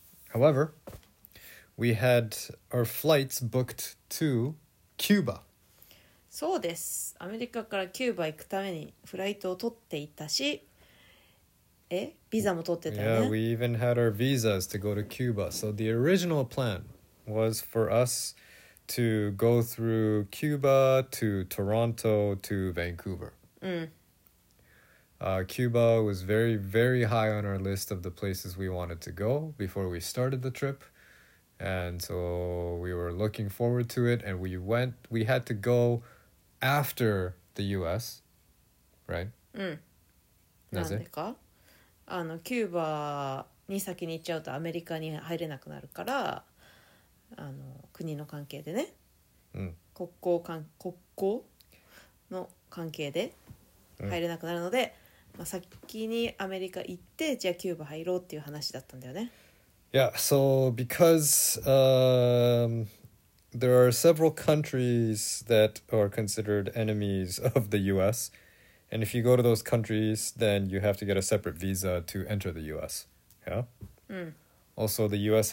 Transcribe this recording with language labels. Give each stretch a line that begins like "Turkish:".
English: However, we had our flights booked to Cuba.
Japanese: そうです。アメリカからキューバ行くためにフライトを取っていたし、ビザも取ってたよね。
English: Yeah, we even had our visas to go to Cuba. So the original plan was for us to go through Cuba to Toronto to Vancouver. Cuba was very, very high on our list of the places we wanted to go before we started the trip. And so we were looking forward to it. And we had to go after the US, right?
Japanese: なぜか? あのキューバに先に行っちゃうとアメリカに入れなくなるから、あの国の関係でね、国交の関係で入れなくなるので、先にアメリカ行ってじゃあキューバ入ろうっていう話だったんだよね。
English: Yeah, so because there are several countries that are considered enemies of the U.S. And if you go to those countries, then you have to get a separate visa to enter the U.S. Yeah. Also, the U.S.